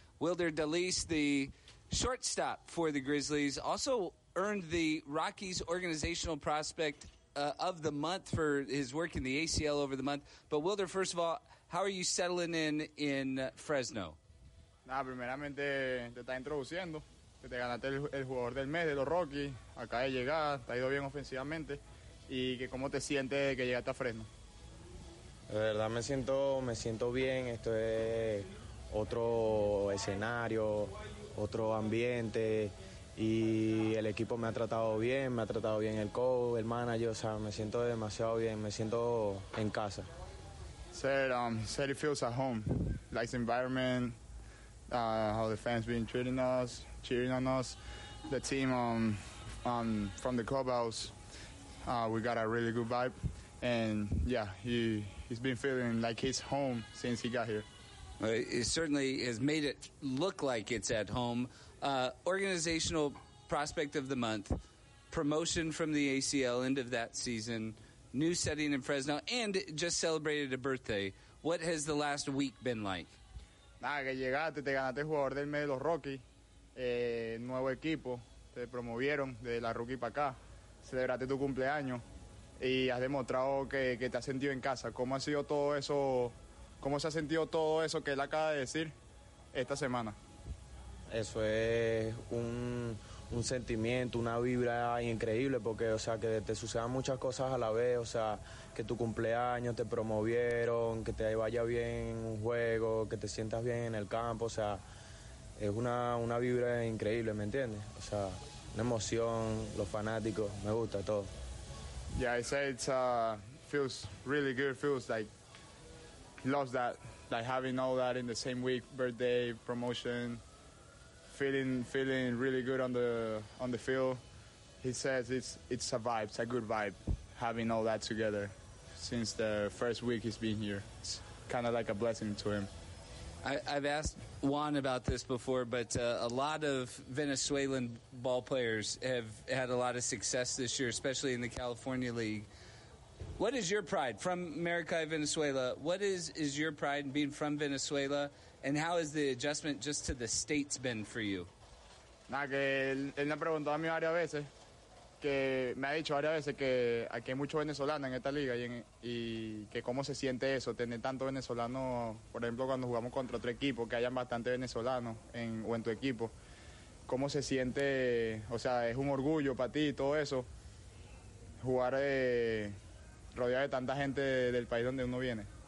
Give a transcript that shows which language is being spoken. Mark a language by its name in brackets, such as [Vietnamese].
[English] Wilder DeLeese, the shortstop for the Grizzlies, also earned the Rockies organizational prospect of the month for his work in the ACL over the month. But Wilder, first of all, how are you settling in Fresno? [Spanish] Nah, primeramente te está introduciendo. Te ganaste el jugador del mes de los Rockies, acá de llegar, te ha ido bien ofensivamente. ¿Y que cómo te sientes de que llegaste a Fresno? De verdad me siento bien, esto es otro escenario, otro ambiente. Y el equipo me ha tratado bien el coach, el manager, o sea, me siento demasiado bien, me siento en casa. [English] Said it feels at home, like the environment. How the fans been treating us, cheering on us, the team from the clubhouse, we got a really good vibe, and yeah, he's been feeling like he's home since he got here. Well, it certainly has made it look like it's at home. Organizational prospect of the month, promotion from the ACL, end of that season, new setting in Fresno, and just celebrated a birthday. What has the last week been like? [Spanish] Nada, que llegaste, te ganaste el jugador del mes de los Rockies, nuevo equipo, te promovieron de la rookie para acá, celebraste tu cumpleaños y has demostrado que te has sentido en casa. ¿Cómo ha sido todo eso? ¿Cómo se ha sentido todo eso que él acaba de decir esta semana? Eso es un sentimiento, una vibra increíble, porque, o sea, que te sucedan muchas cosas a la vez, o sea, que tu cumpleaños, te promovieron, que te vaya bien un juego, que te sientas bien en el campo, o sea, es una vibra increíble, ¿me entiendes? O sea, una emoción, los fanáticos, me gusta todo. [English] Yeah, I said it feels really good, feels like, loves that, like having all that in the same week, birthday, promotion. Feeling really good on the field. He says it's a vibe, it's a good vibe, having all that together since the first week he's been here. It's kind of like a blessing to him. I've asked Juan about this before, but a lot of Venezuelan ball players have had a lot of success this year, especially in the California League. What is your pride from Maracay, Venezuela? What is your pride in being from Venezuela? And how has the adjustment just to the States been for you? [Spanish] Nah, que él me ha preguntado a mí varias veces, que me ha dicho varias veces que aquí hay mucho venezolano en esta liga y que cómo se siente eso, tener tanto venezolano, por ejemplo, cuando jugamos contra otro equipo, que hayan bastante venezolanos en tu equipo. ¿Cómo se siente? O sea, es un orgullo para ti todo eso, jugar rodeado de tanta gente del país donde uno viene.